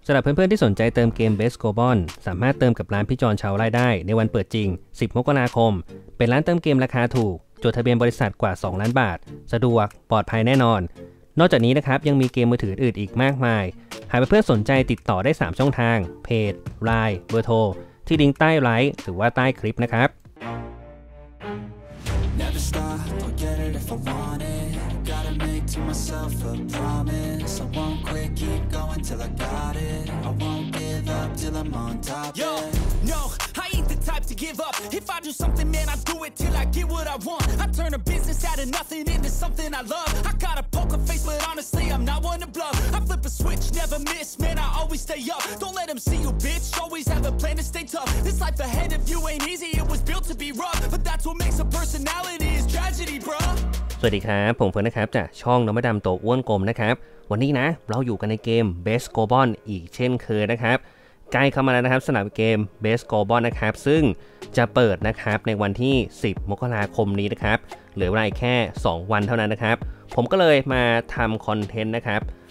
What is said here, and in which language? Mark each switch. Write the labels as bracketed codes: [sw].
[th] สำหรับเพื่อนๆที่สนใจเติมเกม Base Carbon สามารถเติมกับร้านพี่จอนชาวไร่ได้ในวันเปิดจริง10มกราคมเป็นร้านเติมเกมราคาถูกจดทะเบียนบริษัทกว่า2ล้านบาทสะดวกปลอดภัยแน่นอนนอกจากนี้นะครับยังมีเกมมือถืออื่นอีกมากมายหากเพื่อนๆสนใจติดต่อได้3ช่องทางเพจ LINE เบอร์โทรที่ลิงก์ใต้ไลฟ์หรือว่าใต้คลิปนะครับ [en] Myself a promise. I won't quit. Keep going till I got it. I won't give up till I'm on top. Yo, no, I ain't the type to give up. If I do something, man, I do it till I get what I want. I turn a business out of nothing into something I love. I got a poker face, but honestly, I'm not one to bluff. I flip a switch, never miss, man. I always stay up. Don't let them see you, bitch. Always have a plan to stay tough. This life ahead of you ain't easy. It was built to be rough, but that's what makes a personality is tragedy, bruh. [th] สวัสดีครับผมเฟิร์นนะครับจากช่องน้องมะดำโตอ้วนกลมนะครับวันนี้นะเราอยู่กันในเกม Base Carbon อีกเช่นเคยนะครับใกล้เข้ามาแล้วนะครับสนามเกม Base Carbon นะครับซึ่งจะเปิดนะครับในวันที่10มกราคมนี้นะครับเหลือเวลาแค่2วันเท่านั้นนะครับผมก็เลยมาทำคอนเทนต์นะครับ